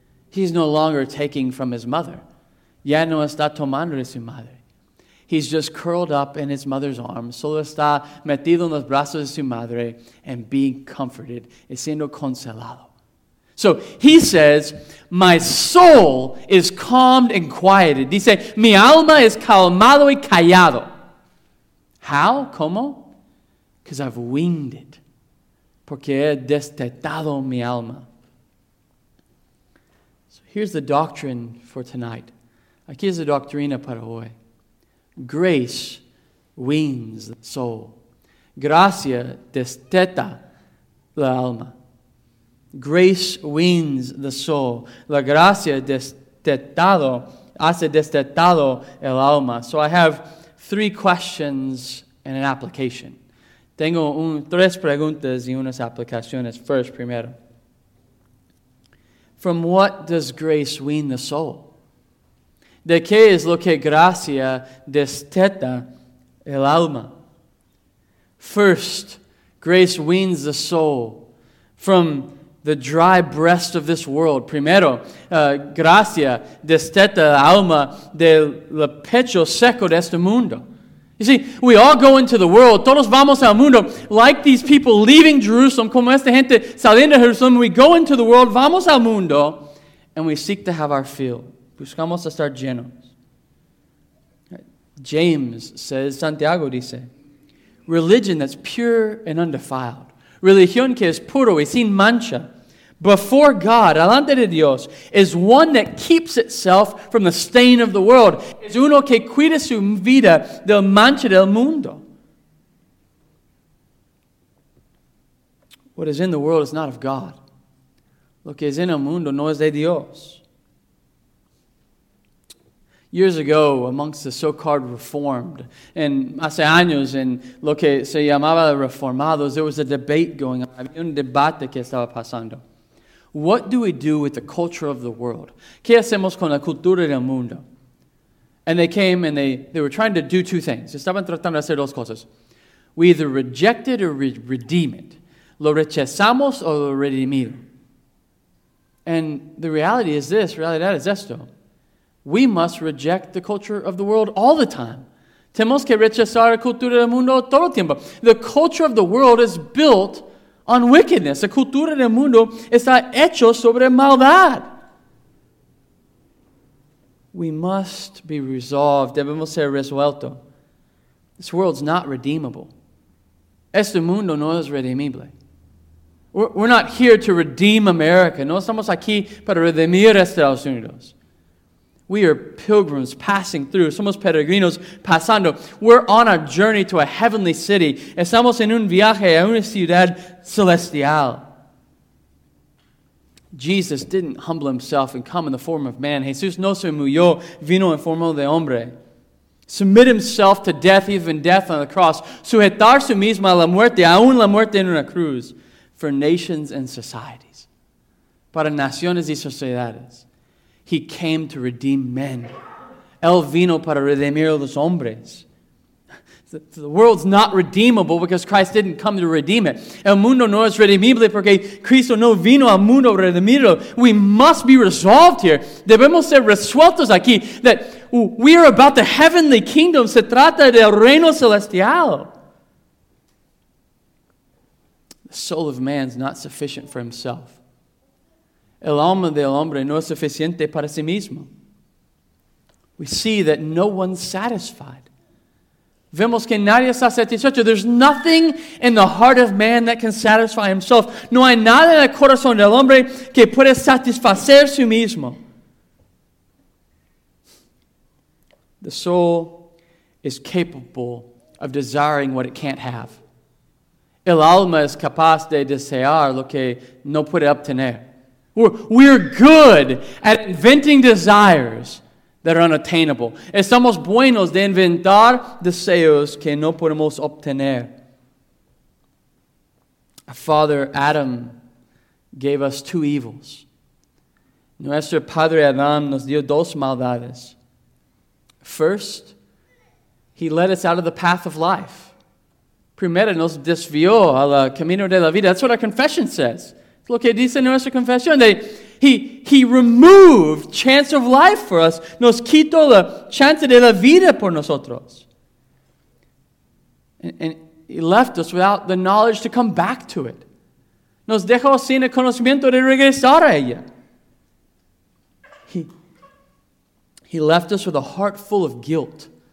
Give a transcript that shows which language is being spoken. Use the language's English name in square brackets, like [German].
[English] He's no longer taking from his mother. [Spanish] Ya no está tomando de su madre. [English] He's just curled up in his mother's arms. [Spanish] Solo está metido en los brazos de su madre [English] and being comforted, [Spanish] y siendo consolado. [English] So he says, my soul is calmed and quieted. [Spanish] Dice, mi alma es calmado y callado. [English] How? [Spanish] ¿Cómo? [English] Because I've winged it. [Spanish] Porque he destetado mi alma. [English] So here's the doctrine for tonight. [Spanish] Aquí es la doctrina para hoy. [English] Grace wings the soul. [Spanish] Gracia desteta la alma. [English] Grace wings the soul. [Spanish] La gracia destetado, hace destetado el alma. [English] So I have three questions and an application. [Spanish] Tengo tres preguntas y unas aplicaciones. [English] First, [Spanish] primero. [English] From what does grace wean the soul? [Spanish] ¿De qué es lo que gracia desteta el alma? [English] First, grace weans the soul from the dry breast of this world. [Spanish] Primero, gracia desteta el alma del pecho seco de este mundo. [English] You see, we all go into the world, [Spanish] todos vamos al mundo, [English] like these people leaving Jerusalem, [Spanish] como esta gente saliendo de Jerusalem, [English] we go into the world, [Spanish] vamos al mundo, [English] and we seek to have our fill. [Spanish] Buscamos estar llenos. [English] James says, [Spanish] Santiago dice, [English] religion that's pure and undefiled, [Spanish] religión que es puro y sin mancha, [English] before God, [Spanish] delante de Dios, [English] is one that keeps itself from the stain of the world. [Spanish] Es uno que cuida su vida del mancha del mundo. [English] What is in the world is not of God. [Spanish] Lo que es en el mundo no es de Dios. [English] Years ago, amongst the so-called reformed, and [Spanish] hace años en lo que se llamaba reformados, [English] there was a debate going on. [Spanish] Había un debate que estaba pasando. [English] What do we do with the culture of the world? [Spanish] ¿Qué hacemos con la cultura del mundo? [English] And they came and they were trying to do two things. [Spanish] Estaban tratando de hacer dos cosas. [English] We either reject it or redeem it. [Spanish] Lo rechazamos o lo redimido. [English] And the reality is this, [Spanish] realidad es esto. [English] We must reject the culture of the world all the time. [Spanish] Tenemos que rechazar la cultura del mundo todo el tiempo. [English] The culture of the world is built on wickedness. [Spanish] La cultura del mundo está hecho sobre maldad. [English] We must be resolved. [Spanish] Debemos ser resuelto. [English] This world's not redeemable. [Spanish] Este mundo no es redimible. [English] We're not here to redeem America. [Spanish] No estamos aquí para redimir Estados Unidos. [English] We are pilgrims passing through. [Spanish] Somos peregrinos pasando. [English] We're on a journey to a heavenly city. [Spanish] Estamos en un viaje a una ciudad celestial. [English] Jesus didn't humble himself and come in the form of man. [Spanish] Jesús no se humilló, vino en forma de hombre. [English] Submit himself to death, even death on the cross. [Spanish] Sujetar su mismo a la muerte, aún la muerte en una cruz. [English] For nations and societies. [Spanish] Para naciones y sociedades. [English] He came to redeem men. [Spanish] Él vino para redimir los hombres. [English] The world's not redeemable because Christ didn't come to redeem it. [Spanish] El mundo no es redimible porque Cristo no vino al mundo a redimirlo. [English] We must be resolved here. [Spanish] Debemos ser resueltos aquí [English] that we are about the heavenly kingdom. [Spanish] Se trata del reino celestial. [English] The soul of man is not sufficient for himself. [Spanish] El alma del hombre no es suficiente para sí mismo. [English] We see that no one's satisfied. [Spanish] Vemos que nadie está satisfecho. [English] There's nothing in the heart of man that can satisfy himself. [Spanish] No hay nada en el corazón del hombre que pueda satisfacer su mismo. [English] The soul is capable of desiring what it can't have. [Spanish] El alma es capaz de desear lo que no puede obtener. [English] We're good at inventing desires that are unattainable. [Spanish] Estamos buenos de inventar deseos que no podemos obtener. [English] Our father Adam gave us two evils. [Spanish] Nuestro padre Adam nos dio dos maldades. [English] First, he led us out of the path of life. [Spanish] Primero nos desvió al camino de la vida. [English] That's what our confession says. [Spanish] Lo que dice nuestra confesión, [English] he removed chance of life for us. [Spanish] Nos quitó la chance de la vida por nosotros. [English] And he left us without the knowledge to come back to it. [Spanish] Nos dejó sin el conocimiento de regresar a ella. [English] He left us with a heart full of guilt.